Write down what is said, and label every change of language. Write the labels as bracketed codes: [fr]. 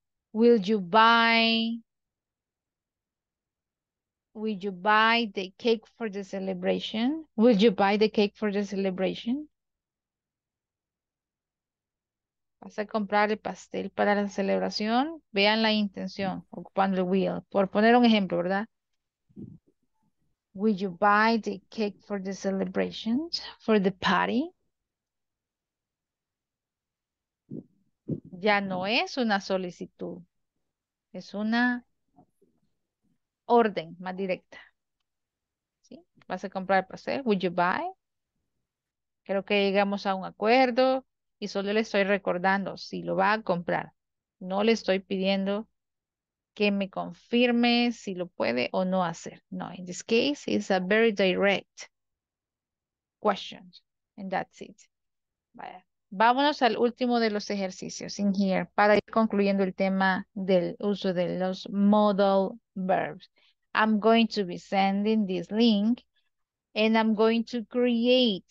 [en] Will you buy the cake for the celebration? Will you buy the cake for the celebration? [es] ¿Vas a comprar el pastel para la celebración? Vean la intención, ocupando el will. Por poner un ejemplo, ¿verdad? [en] Will you buy the cake for the celebrations, for the party? [es] Ya no es una solicitud. Es una orden más directa. ¿Sí? ¿Vas a comprar el pastel? [en] Will you buy? [es] Creo que llegamos a un acuerdo. Y solo le estoy recordando si lo va a comprar. No le estoy pidiendo que me confirme si lo puede o no hacer. [en] No, in this case, it's a very direct question. And that's it. [es] Vaya. Vámonos al último de los ejercicios [en] in here [es] para ir concluyendo el tema del uso de los modal verbs. [en] I'm going to be sending this link and I'm going to create.